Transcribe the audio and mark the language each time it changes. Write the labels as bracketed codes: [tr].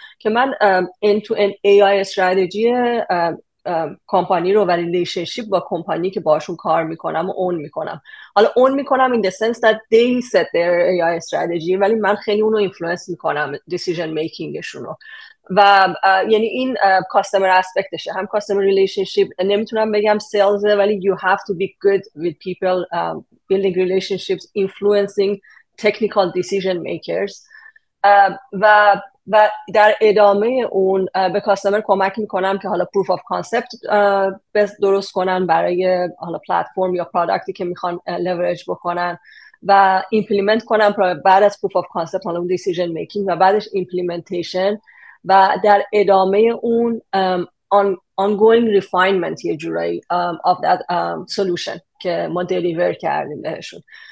[fa] که من end to end AI استراتژی کمپانی رو و ریلیشنشیپ با کمپانی که باشون کار میکنم و اون میکنم، حالا اون میکنم in the sense that they set their AI strategy، ولی من خیلی اونو influence میکنم decision makingشون رو. [en] و یعنی این customer aspectشه، هم customer relationship، نمیتونم بگم sales، ولی you have to be good with people, building relationships, influencing technical decision makers. [fa] و در ادامه اون به کاستمر کمک میکنم که حالا پروف آف کانسپت درست کنن برای حالا پلتفرم یا پرادکتی که میخوان لیورج بکنن و ایمپلیمنت کنن بعد از پروف آف کانسپت، حالا اون دیسیژن میکینگ و بعدش ایمپلیمنتیشن و در ادامه اون آنگوینگ ریفاینمنت یه جورایی آف دات سولوشن که ما دلیور کردیم بهشون.